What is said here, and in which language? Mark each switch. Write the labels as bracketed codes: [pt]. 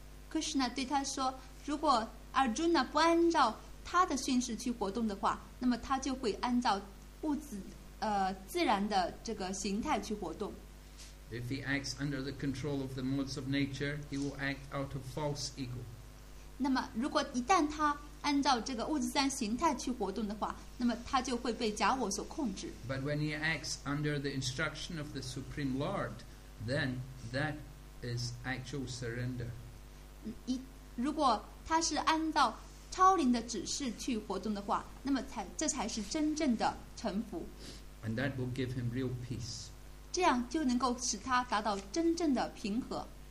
[zh] Krishna 对他说，如果 Arjuna 不按照他的训斥去活动的话，那么他就会按照物质自然的这个形态去活动。 [en] If he acts under the control of the modes of nature, he will act out of false ego. [zh] 那么，如果一旦他按照这个物质自然形态去活动的话，那么他就会被假我所控制。 [en] But when he acts under the instruction of the Supreme Lord, then that is actual surrender. [zh] 如果他是按照超灵的指示去活动的话，那么这才是真正的臣服。 [en] And that will give him real peace. [zh] 这样就能够使他达到真正的平和。